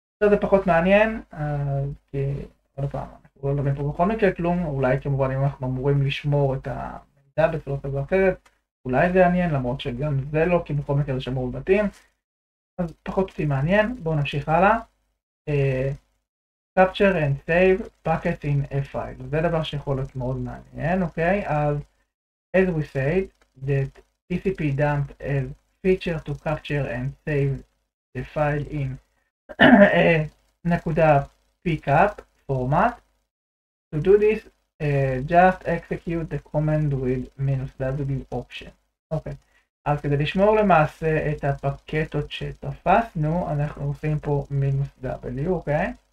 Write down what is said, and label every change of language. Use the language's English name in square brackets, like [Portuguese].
[Hebrew] זה פחות מעניין, כי עוד פעם, אנחנו לא לומדים פה בכל מקרה כלום, אולי כמובן אם אנחנו אמורים לשמור את המידע בצורה כזו או אחרת, אולי זה עניין, למרות שגם זה לא, כי בכל מקרה זה שמור בבתים, אז פחות אותי מעניין, בואו נמשיך הלאה. [English] Capture and save packets in a file, [Hebrew] זה דבר שיכול להיות מאוד מעניין, אוקיי? אז, [English] as we said, that TCP dump as feature to capture and save the file in [Hebrew] נקודה [English] pickup format. To do this, just execute the command with minus w option. [Hebrew] אוקיי, אז כדי לשמור למעשה את הפקטות שתפסנו, אנחנו עושים פה מינוס w, אוקיי?